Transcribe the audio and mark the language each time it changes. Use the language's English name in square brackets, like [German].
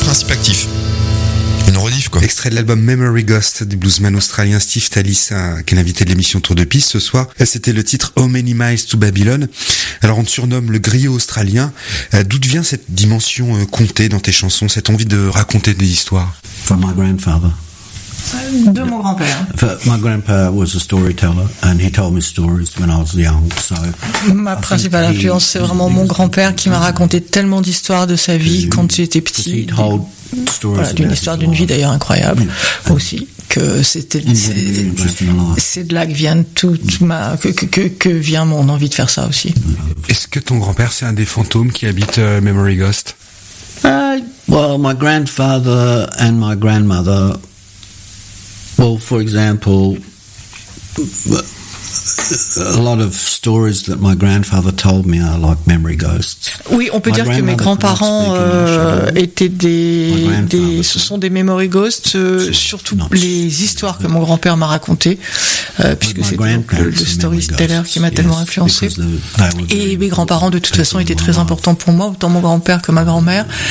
[French] Actif. Une rediff quoi. Extra- extrait de l'album Memory Ghost du bluesman australien Steve Tallis, qui est l'invité de l'émission Tour de Piste ce soir. C'était le titre How Many Miles to Babylon. Alors on te surnomme le griot australien. D'où vient cette dimension comptée dans tes chansons, cette envie de raconter des histoires? [English] From my grandfather. [French] De mon grand-père. [English] My grandpa was a storyteller and he told me stories when I was young. So [French] ma principale influence, c'est vraiment mon grand-père qui m'a raconté tellement d'histoires de sa vie quand j'étais petit. Voilà, d'une histoire d'une vie d'ailleurs incroyable aussi, que c'était c'est de là que vient toute ma que vient mon envie de faire ça aussi. Est-ce que ton grand-père c'est un des fantômes qui habite Memory Ghost? [English] Well, my grandfather and my grandmother. Well, for example, a lot of stories that my grandfather told me are like memory ghosts. [French] Oui, on peut my dire que mes grands-parents étaient des ce sont des memory ghosts, surtout les histoires que mon grand-père m'a racontées, puisque c'est le storyteller qui m'a tellement influencé. Et mes grands-parents, de toute façon, étaient très importants pour moi, autant mon grand-père que ma grand-mère.